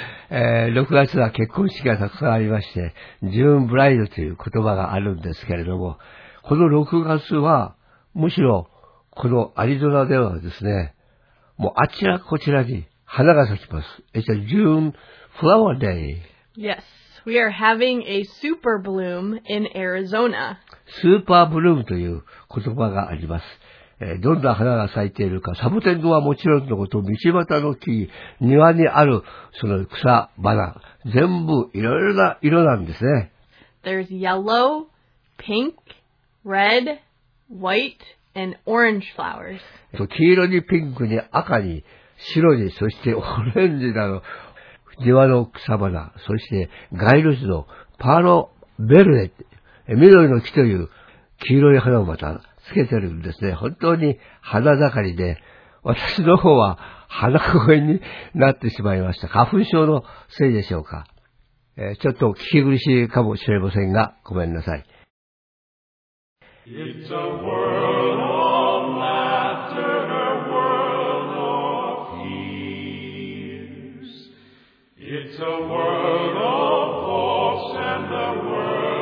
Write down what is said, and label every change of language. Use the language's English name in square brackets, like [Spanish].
[Japanese] 6月は結婚式がたくさんありまして、ジューンブライドという言葉があるんですけれども、この6月はむしろこのアリゾナではですね、もうあちらこちらに花が咲きます。 [English] It's a June Flower Day. Yes, we are having a super bloom in Arizona. [Japanese] スーパーブルームという言葉があります。どんな花が咲いているか、サボテンはもちろんのこと、道端の木、庭にあるその草花、全部いろいろな色なんですね。 [English] There's yellow, pink, red, white, and orange flowers. [Japanese] 黄色にピンクに赤に白に、そしてオレンジなど、庭の草花、そして街路樹のパーロベルネ、緑の木という黄色い花をまた、つけてるんですね。本当に花盛りで、私の方は鼻声になってしまいました。花粉症のせいでしょうか。ちょっと聞き苦しいかもしれませんが、ごめんなさい。 [English] It's a world of laughter, a world of tears. It's a world of hopes and a world.